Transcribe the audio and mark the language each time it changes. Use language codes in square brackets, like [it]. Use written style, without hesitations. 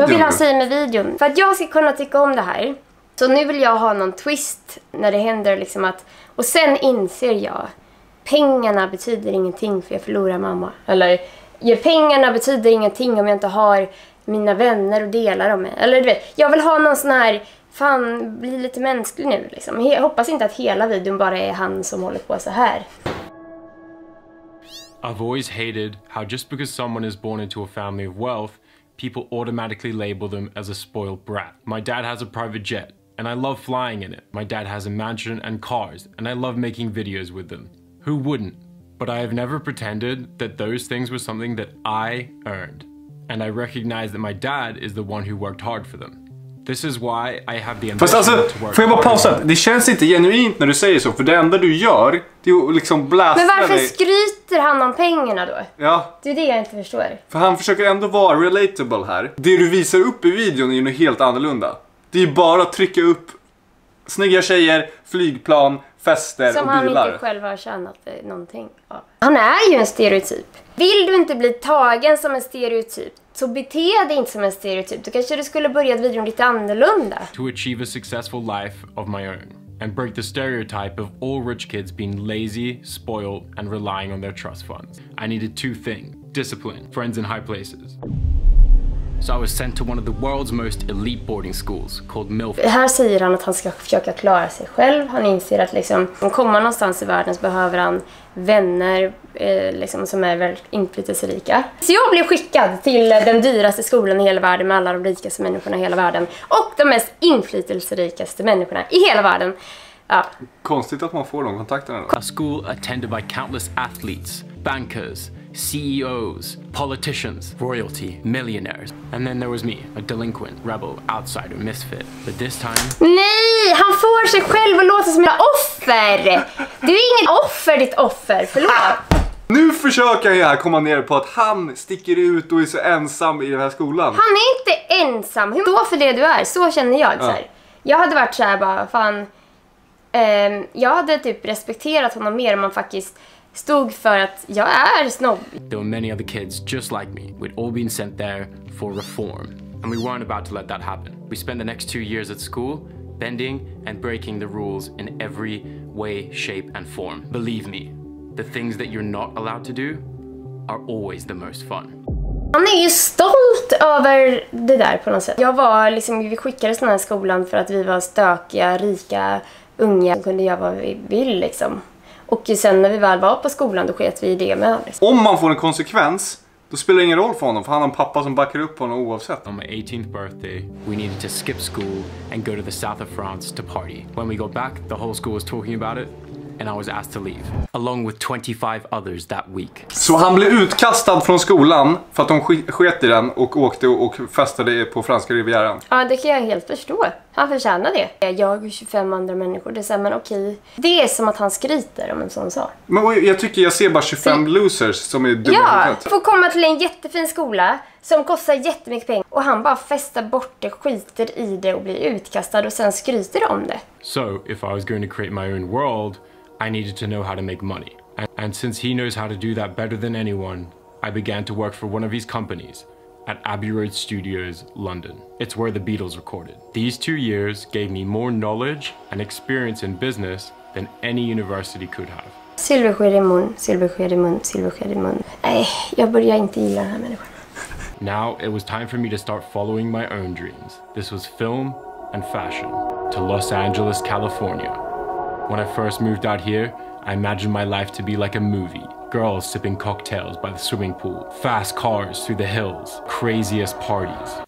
[sv] Vad vill han säga med videon? För att jag ska kunna tycka om det här, så nu vill jag ha någon twist när det händer liksom att, och sen inser jag, pengarna betyder ingenting för jag förlorar mamma. Eller, ja, pengarna betyder ingenting om jag inte har mina vänner och delar dem med. Eller du vet, jag vill ha någon sån här, fan, bli lite mänsklig nu liksom. Jag hoppas inte att hela videon bara är han som håller på så här. [en] I've always hated how just because someone is born into a family of wealth, people automatically label them as a spoiled brat. My dad has a private jet, and I love flying in it. My dad has a mansion and cars, and I love making videos with them. Who wouldn't? But I have never pretended that those things were something that I earned, and I recognize that my dad is the one who worked hard for them. This is why I have the ambition [sv] alltså, [en] to work. [sv] Får jag bara pausa? Det känns inte genuint när du säger så, för det enda du gör, det är att liksom blasta dig. Men varför dig. Skryter han om pengarna då? Ja. Det är det jag inte förstår. För han försöker ändå vara relatable här. Det du visar upp i videon är ju något helt annorlunda. Det är ju bara att trycka upp snygga tjejer, flygplan, fester som och bilar. Som han inte själv har tjänat någonting. Ja. Han är ju en stereotyp. Vill du inte bli tagen som en stereotyp? Så bete dig inte som en stereotyp. Då kanske du skulle börja videon lite annorlunda. [en] To achieve a successful life of my own and break the stereotype of all rich kids being lazy, spoiled and relying on their trust funds. I needed two things: discipline, friends in high places. So I was sent to one of the world's most elite boarding schools called Milford. [sv] Här säger han att han ska försöka klara sig själv. Han inser att liksom om kommer någonstans i världen så behöver han vänner liksom som är väldigt inflytelserika. Så jag blev skickad till den dyraste skolan i hela världen med alla de rikaste människorna i hela världen och de mest inflytelserikaste människorna i hela världen. Ja. Konstigt att man får de kontakterna då. [en] A school attended by countless athletes, bankers, CEOs, politicians, royalty, millionaires. And then there was me, a delinquent, rebel, outsider, misfit. But this time... [sv] Nej, han får sig själv att låta som ett offer! Du är ingen offer, ditt offer, förlåt! Nu försöker jag komma ner på att han sticker ut och är så ensam i den här skolan. Han är inte ensam, hur då för det du är, så känner jag. Så här. Jag hade varit så här bara, fan... jag hade typ respekterat honom mer om man faktiskt... stod för att jag är snobb. [en] There were many other kids just like me. We'd all been sent there for reform. And we weren't about to let that happen. We spent the next 2 years at school, bending and breaking the rules in every way, shape and form. Believe me, the things that you're not allowed to do are always the most fun. [sv] Han är ju stolt över det där på något sätt. Jag var liksom, vi skickades till den här skolan för att vi var stökiga, rika, unga som kunde göra vad vi vill liksom. Och sen när vi väl var på skolan, då sket vi i det med honom. Om man får en konsekvens, då spelar det ingen roll för honom, för han har en pappa som backar upp honom oavsett. [en] On my 18th birthday, we needed to skip school and go to the south of France to party. When we got back, the whole school was talking about it, and I was asked to leave. Along with 25 others that week. [sv] Så han blev utkastad från skolan för att de sket i den och åkte och festade på franska rivieran. Ja, det kan jag helt förstå. Han förtjänar det. Jag och 25 andra människor, det är så här, men okej. Det är som att han skryter om en sån sak. Men jag tycker jag ser bara 25 så... losers som är dumma. Ja, du får komma till en jättefin skola som kostar jättemycket pengar. Och han bara festar bort det, skiter i det och blir utkastad och sen skryter om det. [en] So, if I was going to create my own world, I needed to know how to make money. And since he knows how to do that better than anyone, I began to work for one of his companies. At Abbey Road Studios, London. It's where the Beatles recorded. These 2 years gave me more knowledge and experience in business than any university could have. [sv] Silversked i mun, silversked i mun, silversked i mun. Nej, jag börjar inte gilla den här människan. [en] Now it was time for me to start following my own dreams. This was film and fashion. To Los Angeles, California. When I first moved out here, I imagined my life to be like a movie. Girls sipping cocktails by the swimming pool, fast cars through the hills, craziest parties.